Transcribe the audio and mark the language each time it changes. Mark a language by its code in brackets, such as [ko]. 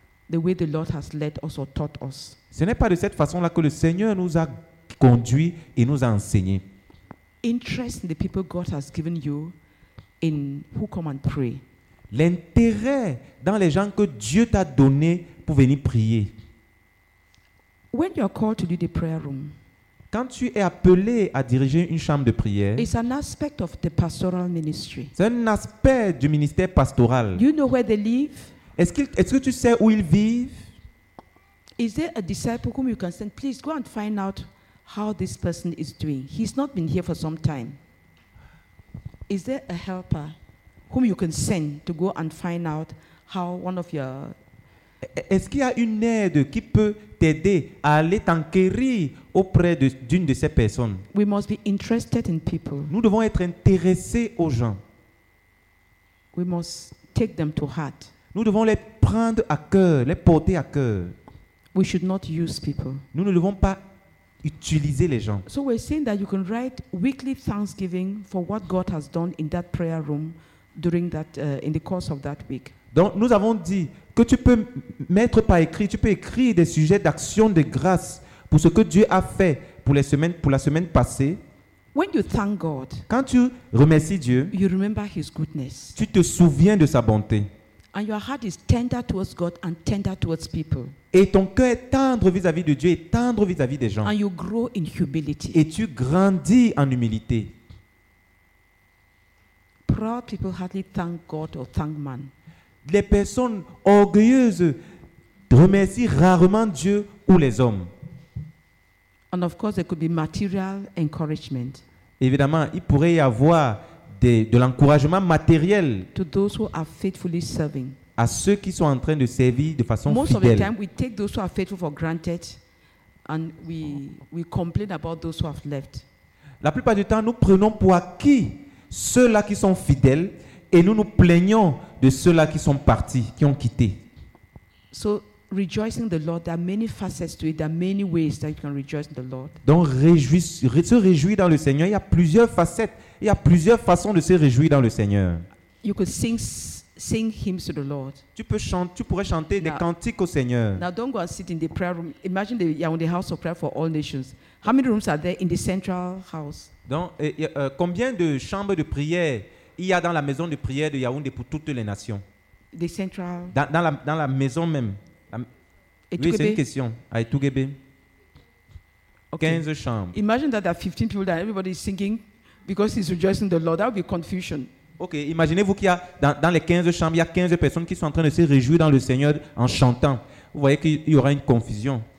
[en] The way the Lord has led us or taught us. [fr] Ce n'est pas de cette façon-là que le Seigneur nous a conduits et nous a enseignés. [en] Interest in the people God has given you in who come and pray. [fr] L'intérêt dans les gens que Dieu t'a donné pour venir prier. [en] When you are called to do the prayer room. [fr] Quand tu es appelé à diriger une chambre de prière. [en] It's an aspect of the pastoral ministry. [fr] C'est un aspect du ministère pastoral. [en] You know where they live? [fr] Est-ce que tu sais où ils vivent? [en] Is there a disciple whom you can send? Please go and find out how this person is doing. He's not been here for some time. Is there a helper whom you can send to go and find out how one of your? [fr] Est-ce qu'il y a une aide qui peut t'aider à aller t'enquérir auprès de, d'une de ces personnes? [en] We must be interested in people. [fr] Nous devons être intéressés aux gens. [en] We must take them to heart. [fr] Nous devons les prendre à cœur, les porter à cœur. [en] We should not use people. [fr] Nous ne devons pas utiliser les gens. [en] So we're saying that you can write weekly thanksgiving for what God has done in that prayer room during that in the course of that week. [fr] Donc nous avons dit que tu peux mettre par écrit, tu peux écrire des sujets d'action de grâce pour ce que Dieu a fait pour les semaines, pour la semaine passée. [en] When you thank God, [fr] quand tu remercies Dieu, [en] you remember his goodness. [fr] Tu te souviens de sa bonté. [en] And your heart is tender towards God and tender towards people. [fr] Et ton cœur est tendre vis-à-vis de Dieu et tendre vis-à-vis des gens. [en] And you grow in humility. [fr] Et tu grandis en humilité. [en] Proud people hardly thank God or thank man. [fr] Les personnes orgueilleuses remercient rarement Dieu ou les hommes. [en] And of course, there could be material encouragement. [fr] Évidemment, il pourrait y avoir de l'encouragement matériel [en] to those who are faithfully serving. [fr] À ceux qui sont en train de servir de façon [en] most [fr] fidèle. [en] Of the time we take those who are faithful for granted and we complain about those who have left. [fr] La plupart du temps nous prenons pour acquis ceux-là qui sont fidèles et nous nous plaignons de ceux-là qui sont partis, qui ont quitté. [en] So rejoicing the Lord, there are many facets to it. There are many ways that you can rejoice in the Lord. [fr] Donc se réjouir dans le Seigneur, il y a plusieurs facettes. Il y a plusieurs façons de se réjouir dans le Seigneur. [en] You could sing hymns to the Lord. [fr] Tu pourrais chanter [en] now, [fr] des cantiques au Seigneur. [en] Now don't go and sit in the prayer room. Imagine they are in the house of prayer for all nations. How many rooms are there in the central house? [fr] Donc combien de chambres de prière il y a dans la maison de prière de Yaoundé pour toutes les nations? [en] The central. [fr] Dans la maison même. Oui, c'est une question. À Etougébé. Okay. 15 chambres. [en] Imagine that there are 15 people that everybody is singing because he's rejoicing the Lord. That would be confusion. [fr] OK, imaginez-vous qu'il y a dans les 15 chambres, il y a 15 personnes qui sont en train de se réjouir dans le Seigneur en chantant. Vous voyez qu'il y aura une confusion.